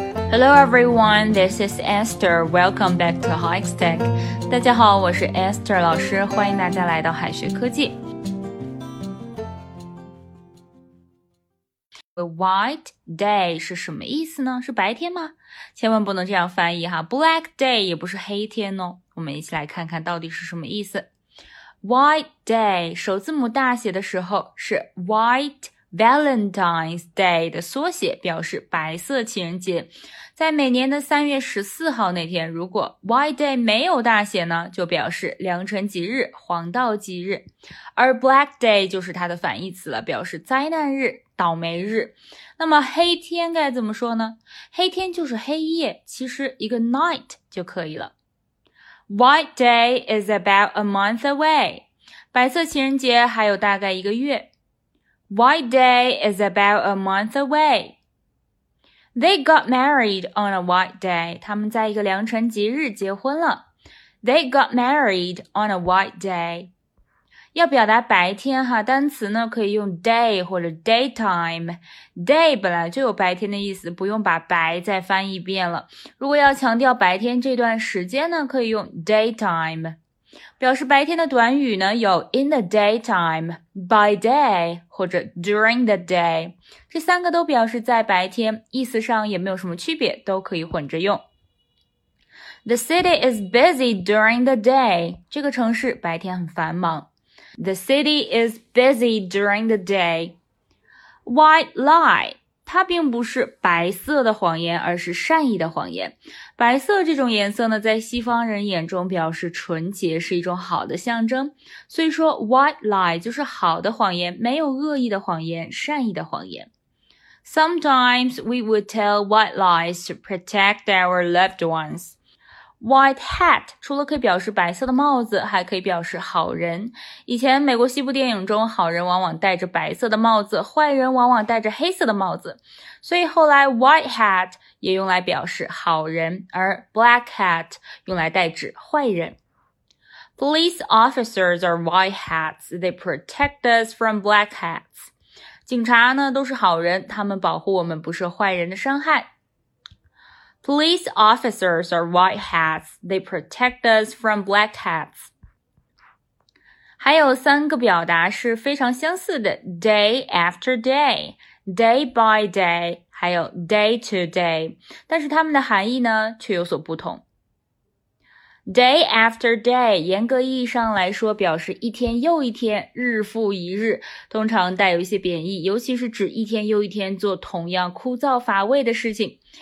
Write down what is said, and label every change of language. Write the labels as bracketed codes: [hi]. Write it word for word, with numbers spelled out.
[en] Hello everyone, this is Esther. Welcome back to Hikes Tech. [zh] 大家好，我是 Esther 老师，欢迎大家来到海学科技。 A white day 是什么意思呢？是白天吗？千万不能这样翻译哈。 Black day 也不是黑天哦。我们一起来看看到底是什么意思。 White day 首字母大写的时候是 White Valentine's Day 的缩写，表示白色情人节。在每年的三月十四号那天，如果 White Day 没有大写呢，就表示良辰吉日、黄道吉日。而 Black Day 就是它的反义词了，表示灾难日、倒霉日。那么黑天该怎么说呢？黑天就是黑夜，其实一个 night 就可以了。 [en] White Day is about a month away. [zh] 白色情人节还有大概一个月。 [en] White Day is about a month away. They got married on a white day. [zh] 他们在一个良辰吉日结婚了。 [en] They got married on a white day. [zh] 要表达白天哈，单词呢可以用 day 或者 daytime。 Day 本来就有白天的意思，不用把白再翻译一遍了。如果要强调白天这段时间呢，可以用 daytime。表示白天的短语呢，有 in the daytime, by day 或者 during the day， 这三个都表示在白天，意思上也没有什么区别，都可以混着用。 [en] The city is busy during the day， [zh] 这个城市白天很繁忙。 [en] The city is busy during the day. [zh] White lie， 它并不是白色的谎言，而是善意的谎言。白色这种颜色呢，在西方人眼中表示纯洁，是一种好的象征。所以说 white lie 就是好的谎言，没有恶意的谎言，善意的谎言。 [en] Sometimes we would tell white lies to protect our loved ones. [zh] White hat 除了可以表示白色的帽子，还可以表示好人。以前美国西部电影中，好人往往戴着白色的帽子，坏人往往戴着黑色的帽子。所以后来 white hat也用来表示好人，而 black hat 用来代指坏人。 [en] Police officers are white hats. They protect us from black hats. [zh] 警察呢都是好人，他们保护我们不受坏人的伤害。 [en] Police officers are white hats. They protect us from black hats. [zh] 还有三个表达是非常相似的 day after day, day by day。还有 day to day， 但是它们的含义呢却有所不同。 Day after day， 严格意义上来说表示一天又一天，日复一日，通常带有一些贬义，尤其是指一天又一天做同样枯燥乏味的事情。